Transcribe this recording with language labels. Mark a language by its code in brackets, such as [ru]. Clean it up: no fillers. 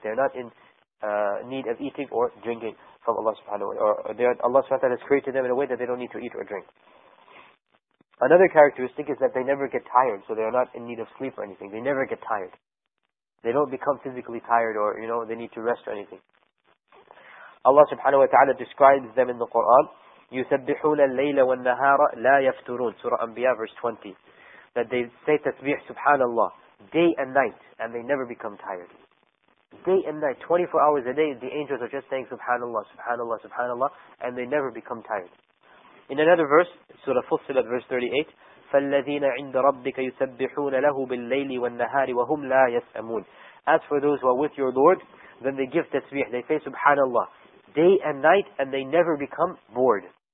[en] They are not in need of eating or drinking from Allah subhanahu wa ta'ala. Allah subhanahu wa ta'ala has created them in a way that they don't need to eat or drink. Another characteristic is that they never get tired. So they are not in need of sleep or anything. They never get tired. They don't become physically tired or, you know, they need to rest or anything. Allah subhanahu wa ta'ala describes them in the Quran. [ar] يُسَبِّحُونَ اللَّيْلَ وَالنَّهَارَ لَا يَفْتُرُونَ [en] Surah Anbiya verse 20. That they say tasbih subhanallah day and night, and they never become tired. Day and night, 24 hours a day, the angels are just saying subhanallah, subhanallah, subhanallah, and they never become tired. In another verse, Surah Fussilat verse 38, [ar] فَالَّذِينَ عِنْدَ رَبِّكَ يُسَبِّحُونَ لَهُ بِاللَّيْلِ وَالنَّهَارِ وَهُمْ لَا يَسْأَمُونَ [en] As for those who are with your Lord, then they give tasbih, they say subhanallah, day and night, and they never become bored.